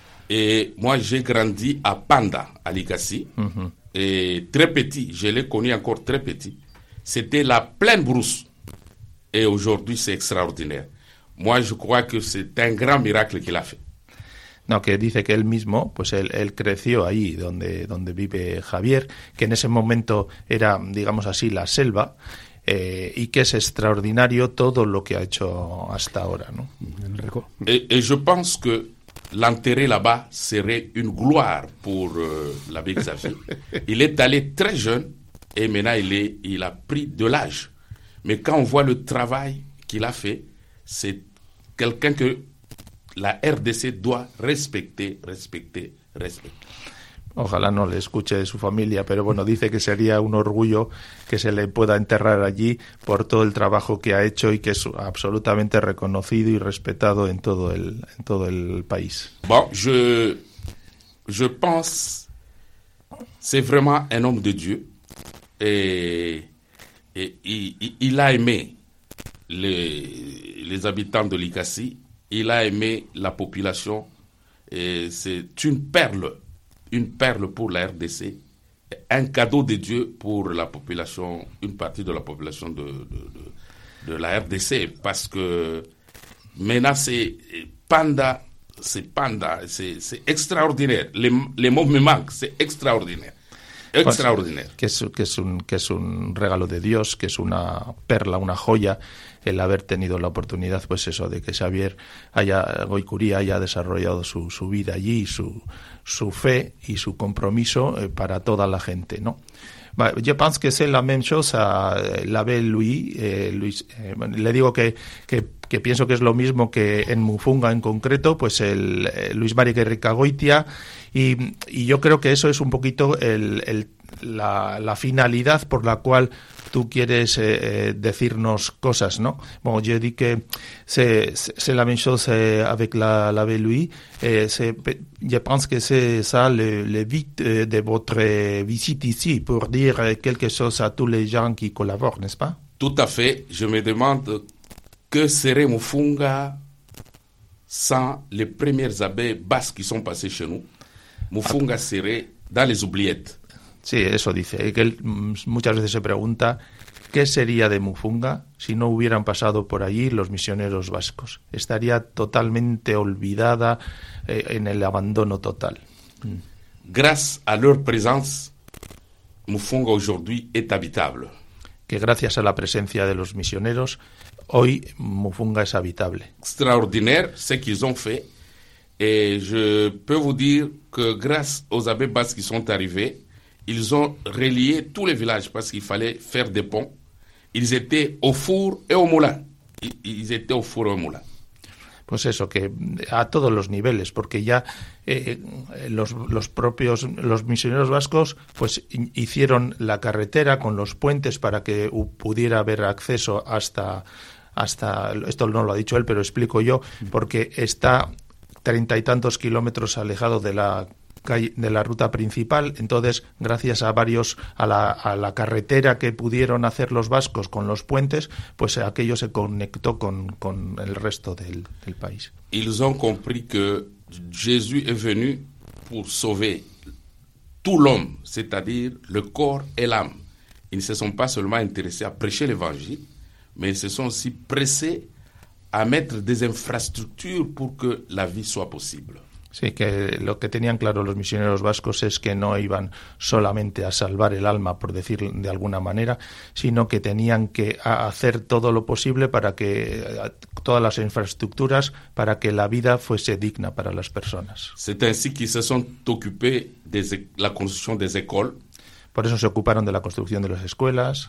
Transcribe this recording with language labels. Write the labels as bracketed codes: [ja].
[fr] Et moi, j'ai grandi à Panda, à Ligassi. Et très petit, je l'ai connu encore très petit. C'était la pleine brousse. Et aujourd'hui, c'est extraordinaire. Moi, je crois que c'est un grand miracle qu'il a fait. [es] No, que dice que él mismo, pues él creció ahí donde vive Javier, que en ese momento era, digamos así, la selva, y que es extraordinario todo lo que ha hecho hasta ahora, ¿no? Y yo pienso que [fr] l'enterrer là-bas serait une gloire pour la vie de sa fille. Il est allé très jeune, et maintenant il a pris de l'âge. Mais quand on voit le travail qu'il a fait, c'est quelqu'un que la RDC doit respecter, respecter, respecter. [es] Ojalá no le escuche de su familia, pero bueno, dice que sería un orgullo que se le pueda enterrar allí por todo el trabajo que ha hecho y que es absolutamente reconocido y respetado en todo el país. [fr] Bon, je pense c'est vraiment un homme de Dieu et il a aimé les habitants de Ligassi. Il a aimé la population et c'est une perle pour la RDC, un cadeau de Dieu pour la population, une partie de la population de la RDC, parce que maintenant c'est Panda, c'est extraordinaire, les mots me manquent, c'est extraordinaire. Extraordinaire. [es] Pues, que es un regalo de Dios, que es una perla, una joya, el haber tenido la oportunidad, pues eso, de que Xavier Goicuría haya desarrollado su vida allí, su fe y su compromiso para toda la gente, ¿no? [fr] Je pense que c'est la même chose à l'abbé Louis, [es] le digo que pienso que es lo mismo que en Mufunga en concreto, pues el Luis Mari Gerricagoitia, y yo creo que eso es un poquito la finalidad por la cual tú quieres decirnos cosas, ¿no? [fr] Bon, je dis que c'est la même chose avec l'abbé Louis, je pense que c'est ça le but de votre visite ici, pour dire quelque chose à tous les gens qui collaborent, n'est-ce pas? Tout à fait, je me demande que serait Mufunga sans les premiers abbés basques qui sont passés chez nous. Mufunga serait dans les oubliettes. [es] Sí, eso dice. Que él muchas veces se pregunta qué sería de Mufunga si no hubieran pasado por allí los misioneros vascos. Estaría totalmente olvidada en el abandono total. [fr] Grâce à leur présence, Mufunga aujourd'hui est habitable. [es] Que gracias a la presencia de los misioneros, hoy Mufunga es habitable. [fr] Extraordinaire ce qu'ils ont fait. Et je peux vous dire que grâce aux abbés basques qui sont arrivés, ils ont relié tous les villages parce qu'il fallait faire des ponts. Ils étaient au four et au moulin. Ils étaient au four et au moulin. [es] Pues eso, que a todos los niveles, porque ya los propios misioneros vascos pues hicieron la carretera con los puentes para que pudiera haber acceso hasta esto no lo ha dicho él, pero explico yo, porque está 30 y tantos kilómetros alejado de la calle, de la ruta principal. Entonces, gracias a varios, a la carretera que pudieron hacer los vascos con los puentes, pues aquello se conectó con el resto del país. [fr] Ils ont compris que Jésus est venu pour sauver tout l'homme, c'est-à-dire le corps et l'âme. Ils ne se sont pas seulement intéressés à prêcher l'évangile, mais ils se sont aussi pressés à mettre des infrastructures pour que la vie soit possible. [es] Sí, que lo que tenían claro los misioneros vascos es que no iban solamente a salvar el alma, por decir de alguna manera, sino que tenían que hacer todo lo posible para que todas las infraestructuras, para que la vida fuese digna para las personas. [fr] C'est ainsi qu'ils se sont occupés de la construction des écoles. [es] Por eso se ocuparon de la construcción de las escuelas.